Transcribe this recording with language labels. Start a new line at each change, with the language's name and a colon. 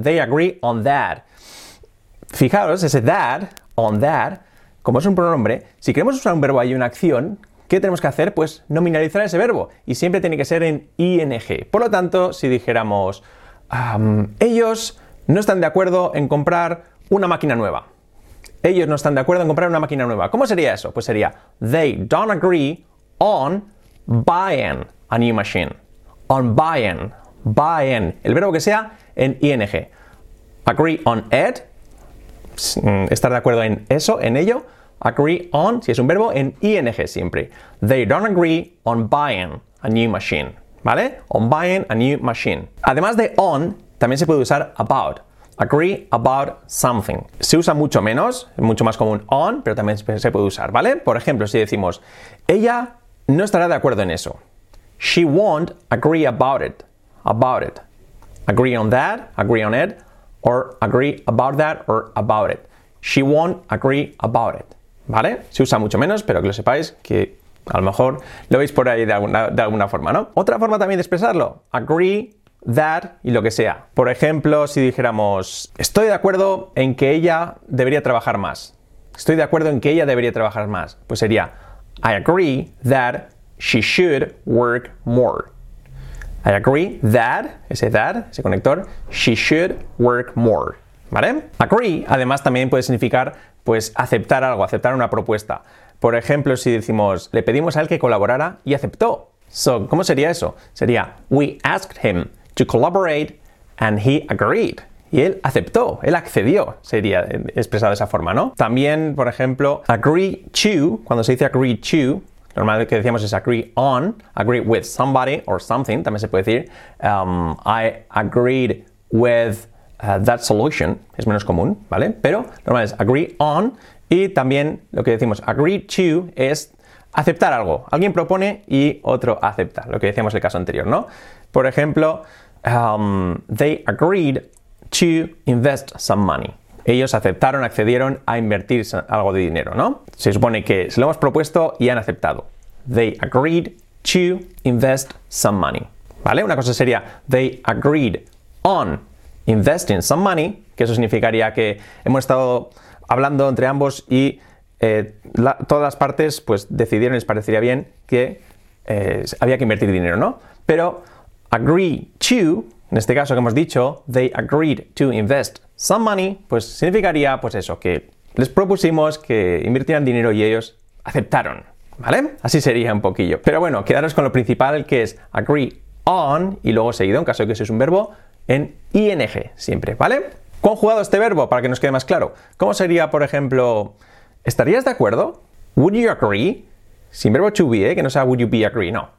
English: They agree on that.
Spanish: Fijaros, ese that, on that, como es un pronombre, si queremos usar un verbo y una acción, ¿qué tenemos que hacer? Pues nominalizar ese verbo. Y siempre tiene que ser en ing. Por lo tanto, si dijéramos, ellos no están de acuerdo en comprar una máquina nueva. Ellos no están de acuerdo en comprar una máquina nueva. ¿Cómo sería eso? Pues sería,
English: they don't agree on buying a new machine. On buying. Buying.
Spanish: El verbo que sea en ing.
English: Agree on it.
Spanish: Estar de acuerdo en eso, en ello. Agree on, si es un verbo, en ing siempre.
English: They don't agree on buying a new machine.
Spanish: ¿Vale?
English: On buying a new machine.
Spanish: Además de on, también se puede usar about.
English: Agree about something.
Spanish: Se usa mucho menos, mucho más común on, pero también se puede usar, ¿vale? Por ejemplo, si decimos, ella no estará de acuerdo en eso.
English: She won't agree about it. About it. Agree on that, agree on it, or agree about that, or about it. She won't agree about it.
Spanish: ¿Vale? Se usa mucho menos, pero que lo sepáis que a lo mejor lo veis por ahí de alguna forma, ¿no? Otra forma también de expresarlo. Agree, that y lo que sea. Por ejemplo, si dijéramos, estoy de acuerdo en que ella debería trabajar más. Estoy de acuerdo en que ella debería trabajar más. Pues sería,
English: I agree that she should work more. I agree that,
Spanish: ese conector,
English: she should work more.
Spanish: ¿Vale? Agree, además, también puede significar pues aceptar algo, aceptar una propuesta. Por ejemplo, si decimos, le pedimos a él que colaborara y aceptó. So, ¿cómo sería eso? Sería,
English: we asked him to collaborate and he agreed.
Spanish: Y él aceptó, él accedió, sería expresado de esa forma, ¿no? También, por ejemplo, agree to, cuando se dice agree to, normalmente lo que decíamos es agree on,
English: agree with somebody or something,
Spanish: también se puede decir,
English: I agreed with that solution,
Spanish: es menos común, ¿vale? Pero normal es agree on y también lo que decimos agree to es aceptar algo. Alguien propone y otro acepta, lo que decíamos en el caso anterior, ¿no? Por ejemplo,
English: they agreed to invest some money.
Spanish: Ellos aceptaron, accedieron a invertir algo de dinero, ¿no? Se supone que se lo hemos propuesto y han aceptado.
English: They agreed to invest some money.
Spanish: ¿Vale? Una cosa sería
English: they agreed on investing some money,
Spanish: que eso significaría que hemos estado hablando entre ambos y todas las partes pues decidieron, les parecería bien, que había que invertir dinero, ¿no? Pero agree to, en este caso que hemos dicho,
English: they agreed to invest some money,
Spanish: pues significaría pues eso, que les propusimos que invirtieran dinero y ellos aceptaron, ¿vale? Así sería un poquillo. Pero bueno, quedaros con lo principal, que es agree on y luego seguido, en caso de que seas un verbo, en ing siempre, ¿vale? Conjugado este verbo para que nos quede más claro. ¿Cómo sería, por ejemplo, estarías de acuerdo?
English: Would you agree?
Spanish: Sin verbo to be, que no sea
English: would you be agree,
Spanish: no.